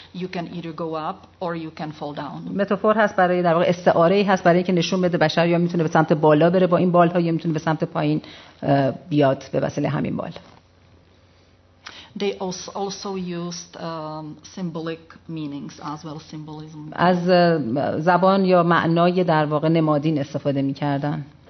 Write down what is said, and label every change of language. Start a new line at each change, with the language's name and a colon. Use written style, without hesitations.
English: You can either go up or you can fall down.
Persian: متافور هست برای در واقع استعاره‌ای هست برای اینکه نشون بده بشر یا میتونه به سمت بالا بره با این بال‌ها یا میتونه به سمت پایین بیاد به وسیله همین بال.
English: They also used symbolic meanings as well symbolism.
Persian: از زبان یا معنای در واقع نمادین استفاده می‌کردن.